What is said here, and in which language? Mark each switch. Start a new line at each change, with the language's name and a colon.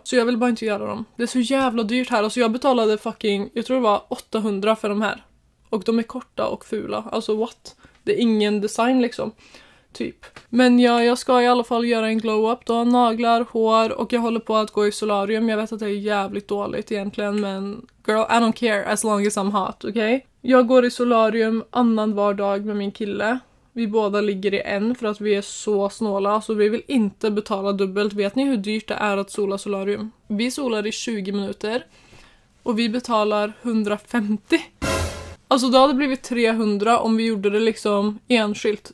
Swedish: Så jag vill bara inte göra dem. Det är så jävla dyrt här. Alltså jag betalade fucking, jag tror det var 800 för de här. Och de är korta och fula. Alltså what? Det är ingen design liksom. Typ. Men ja, jag ska i alla fall göra en glow up. Då naglar, hår och jag håller på att gå i solarium. Jag vet att det är jävligt dåligt egentligen.
English: Men girl, I don't care as long as I'm hot, okej? Okay?
Swedish: Jag går i solarium annan vardag med min kille. Vi båda ligger i en för att vi är så snåla. Alltså vi vill inte betala dubbelt. Vet ni hur dyrt det är att sola solarium? Vi solar i 20 minuter. Och vi betalar 150. Alltså då hade det blivit 300 om vi gjorde det liksom enskilt.